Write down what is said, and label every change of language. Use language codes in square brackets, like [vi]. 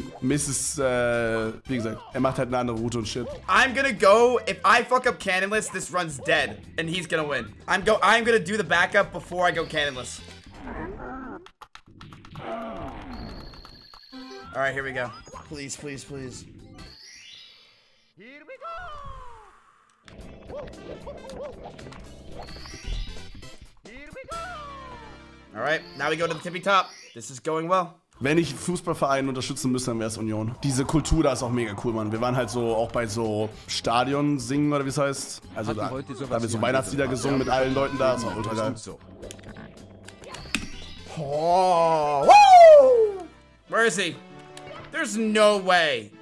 [de] Misses, wie gesagt, macht halt eine andere Route und shit. [en] I'm gonna go, if I fuck up cannonless, this run's dead. And he's gonna win. I'm gonna do the backup before I go cannonless. All right, here we go. Please, please, please. Here we go! Here we go! All right, now we go to the tippy top. This is going well. [de] Wenn ich Fußballvereine unterstützen müsste, dann wäre es Union. Diese Kultur da ist auch mega cool, Mann. Wir waren halt so auch bei so Stadion singen oder wie es heißt. Also da haben wir so Weihnachtslieder gesungen mit allen Leuten da. Das war ultra geil. [en] Oh, woo! Where is he? There's no way.